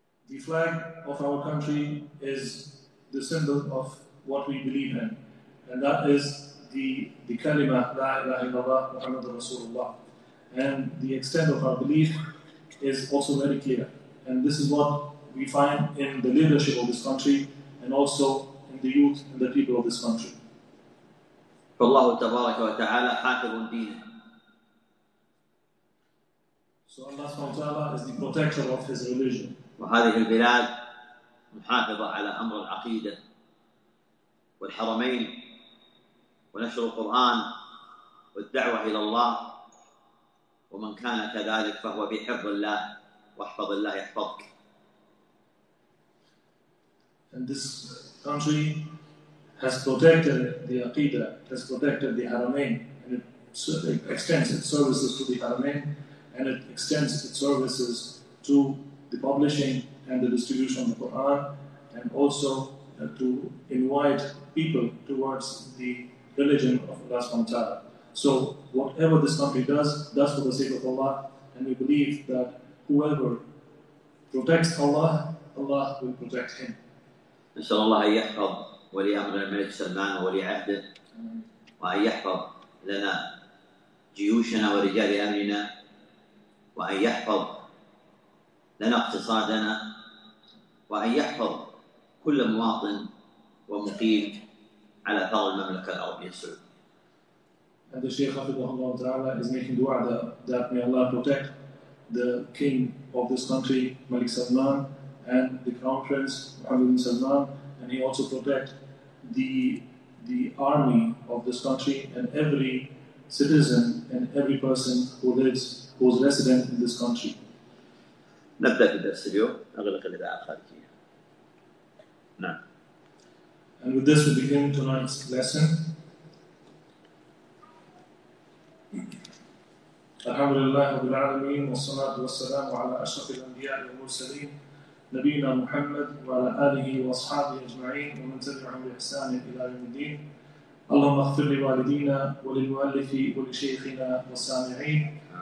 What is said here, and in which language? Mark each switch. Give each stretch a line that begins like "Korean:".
English: The flag of our country is the symbol of what we believe in, and that is the kalima
Arabic: La ilaha illallah Muhammad Rasulullah.
English: And the extent of our belief is also very clear. And this is what we find in the leadership of this country and also in the youth and the people of this country.
Arabic: Allah Tabaraka wa Ta'ala hafidhun deen.
English: So Allah subhanahu wa ta'ala is the protector of his religion.
Arabic: وهذه البلاد محافظة على أمر العقيدة والحرمين ونشر القرآن والدعوة إلى الله ومن كان كذلك فهو بحفظ الله واحفظ الله يحفظك.
English: And this country has protected the aqidah, has protected the haramain, and it extends its services to the haramain, and it extends its services to the publishing and the distribution of the Quran, and also to invite people towards the religion of Allah subhanahu wa ta'ala. So whatever this country does for the sake of Allah, and we believe that whoever protects Allah, Allah will protect him.
Arabic: نسأل الله أن يحفظ ولي أمر الملك سلمان ولي عهده وأن يحفظ لنا جيوشنا ورجال أمرنا وأن يحفظ لنا اقتصادنا وأن يحفظ كل مواطن ومقيم على ثغر المملكة العربية السعودية.
English: And the Shaykh Hafidhahu Allah Ta'ala is making dua that may Allah protect the king of this country, Malik Salman, and the crown prince, Muhammad bin Salman, and he also protect the army of this country and every citizen and every person who lives, who is resident in this country.
Arabic: نبدأ في الدرس اليوم أغلق الإذاعة الخارجية. نعم.
English: And with this we begin tonight's lesson.
Arabic: الحمد لله رب العالمين والصلاة والسلام على أشرف الأنبياء والمرسلين نبينا محمد وعلى آله وأصحابه أجمعين ومن تبعهم بإحسان إلى يوم الدين. اللهم اغفر لوالدينا وللمؤلف ولشيخنا والسامعين.